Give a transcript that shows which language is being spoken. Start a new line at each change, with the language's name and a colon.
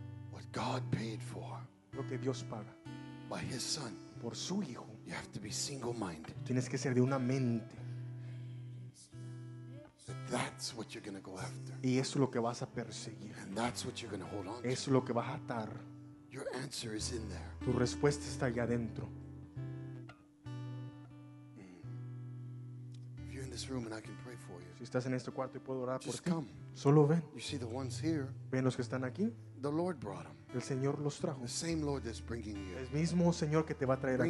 English: What God paid for.
Spanish: Lo que Dios paga.
English: By His Son.
Spanish: Por su hijo.
English: You have to be single-minded.
Spanish: Tienes que ser de una mente.
English: That That's what you're going to go after.
Spanish: Y eso es lo que vas a perseguir.
English: And that's what you're going to hold on to.
Spanish: Eso es lo que vas a atar.
English: Your answer is in there.
Spanish: Tu respuesta está allá adentro.
English: If you're in this room and I can pray for you.
Spanish: Si estás en este cuarto y puedo orar por ti.
English: Just come.
Spanish: Solo ven.
English: You see the ones here.
Spanish: Ven los que están aquí.
English: The Lord brought them.
Spanish: El Señor los trajo.
English: The same Lord that's bringing you.
Spanish: El mismo Señor que te va a traer aquí.